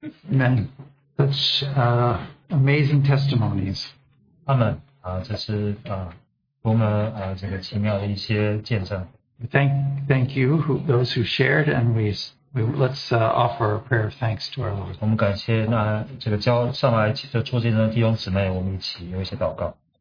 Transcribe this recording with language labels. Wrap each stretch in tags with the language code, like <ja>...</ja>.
<en>Amen. Such amazing testimonies. Amen.</en> <zh>这是多么这个奇妙的一些见证。</zh> <en>Thank you those who shared, and we let's offer a prayer of thanks to our Lord.</en> <zh>我们感谢那这个交上来就做见证的弟兄姊妹，我们一起有一些祷告。</zh>